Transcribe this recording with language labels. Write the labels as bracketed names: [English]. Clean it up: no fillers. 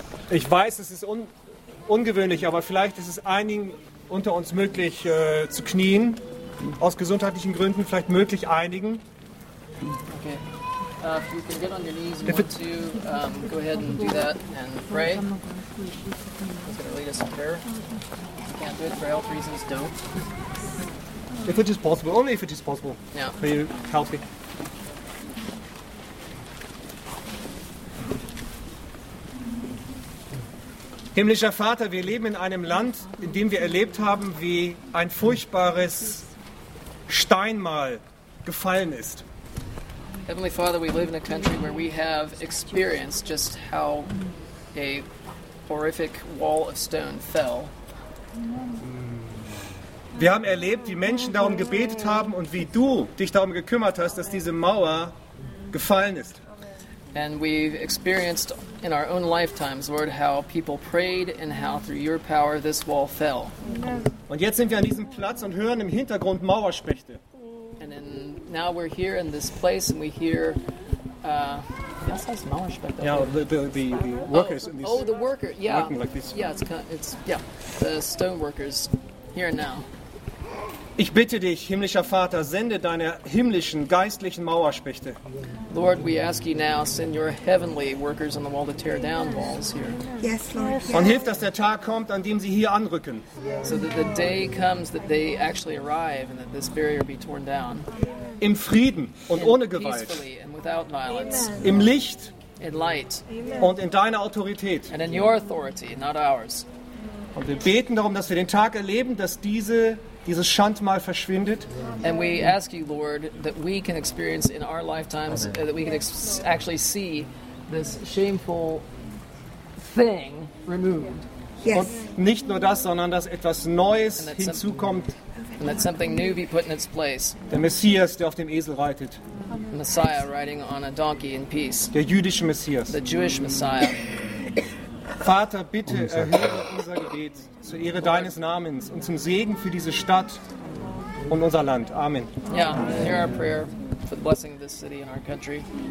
[German] Ich weiß, es ist ungewöhnlich, aber vielleicht ist es einigen unter uns möglich zu knien, aus gesundheitlichen Gründen vielleicht möglich einigen. [English] Okay. If you can get on your knees, we want to go ahead and do that and pray. It's going to lead us in prayer. If you can't do it for health reasons, don't. If it is possible, only if it is possible. Yeah. For you, help me. [German] Himmlischer Vater, wir leben in einem Land, in dem wir erlebt haben, wie ein furchtbares Steinmal gefallen ist. [English] Heavenly Father, we live in a country where we have experienced just how a horrific wall of stone fell. [German] Wir haben erlebt, wie Menschen darum gebetet haben und wie du dich darum gekümmert hast, dass diese Mauer gefallen ist. [English] And we've experienced in our own lifetimes, Lord, how people prayed and how through your power this wall fell. [German] Und jetzt sind wir an diesem Platz und hören im Hintergrund Mauerspechte. [English] And then now we're here in this place and we hear [German] was heißt Mauerspechte? [English] Yeah, the workers oh, in these. Oh, the worker. Yeah. Working like this. Yeah, it's yeah, the stone workers here and now. [German] Ich bitte dich, himmlischer Vater, sende deine himmlischen, geistlichen Mauerspechte. [English] Lord, we ask you now, send your heavenly workers on the wall to tear down walls here. Yes, Lord. [German] Und hilf, dass der Tag kommt, an dem sie hier anrücken. [English] So that the day comes that they actually arrive and that this barrier be torn down. [German] Im Frieden und ohne Gewalt. [English] Peacefully and without violence. [German] Im Licht. [English] In light. [German] Und in deiner Autorität. [English] And in your authority, not ours. [German] Und wir beten darum, dass wir den Tag erleben, dass dieses Schandmal verschwindet. [English] And we ask you, Lord, that we can experience in our lifetimes, that we can actually see this shameful thing removed. Yes. [German] Und nicht nur das, sondern dass etwas Neues hinzukommt. [English] And that something new be put in its place. [German] Der Messias, der auf dem Esel reitet. [English] The Messiah riding on a donkey in peace. [German] Der jüdische Messias. [English] The Jewish Messiah. [German] Vater, bitte erhöre unser Gebet zur Ehre deines Namens und zum Segen für diese Stadt und unser Land. Amen. [English] Ja, yeah, hear our prayer for the blessing of this city and our country.